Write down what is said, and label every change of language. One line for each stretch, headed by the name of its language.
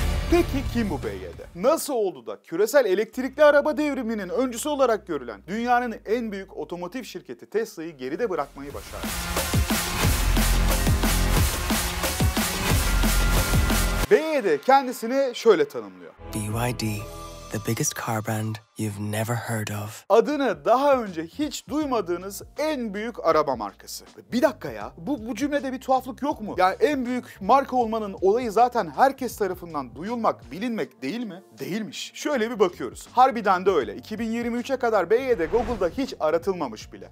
Turkish: Peki kim bu BYD? Nasıl oldu da küresel elektrikli araba devriminin öncüsü olarak görülen dünyanın en büyük otomotiv şirketi Tesla'yı geride bırakmayı başardı? BYD kendisini şöyle tanımlıyor.
English: BYD, the biggest car brand you've never heard of.
Turkish: Adını daha önce hiç duymadığınız en büyük araba markası. Bir dakika ya, bu cümlede bir tuhaflık yok mu? Yani en büyük marka olmanın olayı zaten herkes tarafından duyulmak, bilinmek değil mi? Değilmiş. Şöyle bir bakıyoruz. Harbiden de öyle. 2023'e kadar BYD Google'da hiç aratılmamış bile.